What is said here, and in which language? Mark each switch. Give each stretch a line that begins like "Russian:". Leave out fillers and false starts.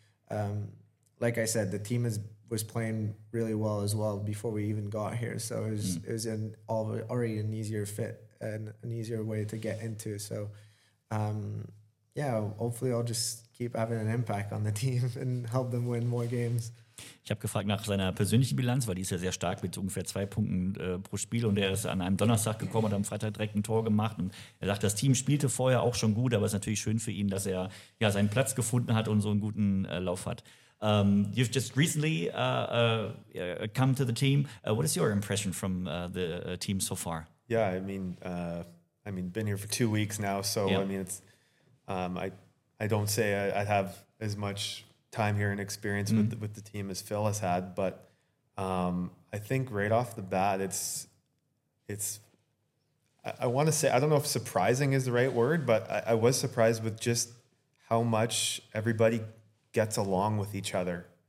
English: And like I said, the team was playing really well as well before we even got here. So it was already an easier fit and an easier way to get into. So hopefully I'll just keep having an impact on the team and help them win more games.
German: Ich habe gefragt nach seiner persönlichen Bilanz, weil die ist ja sehr stark mit ungefähr 2 Punkten pro Spiel, und er ist an einem Donnerstag gekommen und am Freitag direkt ein Tor gemacht, und er sagt, das Team spielte vorher auch schon gut, aber es ist natürlich schön für ihn, dass er ja seinen Platz gefunden hat und so einen guten Lauf hat.
English: You've just recently come to the team. What is your impression from the team so far? Yeah, I mean, been here for 2 weeks now, so yeah. I mean, it's I don't say I have as much time here and experience with the team as Phil has had, but I think right off the bat I want to say, I don't know if surprising is the right word, but I was surprised with just how much everybody gets along with each other.